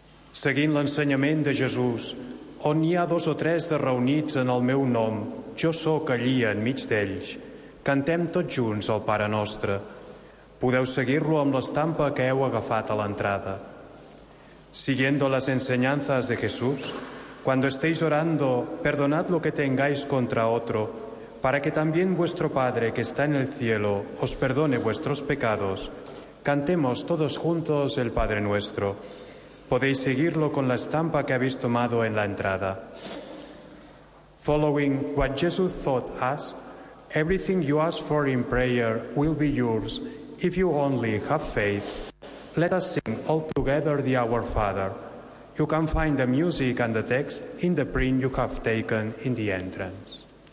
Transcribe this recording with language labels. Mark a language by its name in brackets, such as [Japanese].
[Catalan] Seguint l'ensenyament de Jesús, on hi ha dos o tres de reunits en el meu nom, jo sóc allí enmig d'ells, cantem tots junts el Pare Nostre. Podeu seguir-lo amb l'estampa que heu agafat a l'entrada. [Spanish] Siguiendo las enseñanzas de Jesús, cuando estéis orando, perdonad lo que tengáis contra otro, para que también vuestro Padre que está en el cielo os perdone vuestros pecados. Cantemos todos juntos el Padre Nuestro. Podéis seguirlo con la estampa que habéis tomado en la entrada. [English] Following what Jesus taught us, everything you ask for in prayer will be yours, if you only have faith. Let us sing all together the Our Father. You can find the music and the text in the print you have taken in the entrance.